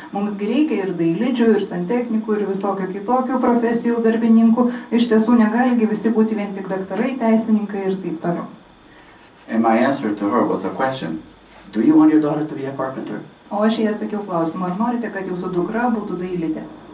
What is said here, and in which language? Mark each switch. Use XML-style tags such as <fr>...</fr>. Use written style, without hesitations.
<lt>Mums reikia ir dailidžių, ir santechnikų, ir visokio kitokių profesijų darbininkų. Iš tiesų negali visi būti vien tik daktarai, teisininkai ir taip toliau.</lt> <en>And my answer to her was a question, do you want your daughter to be a carpenter?</en> <lt>O aš jai atsakiau klausimą, ar norite, kad jūsų dukra būtų dailidė?</lt>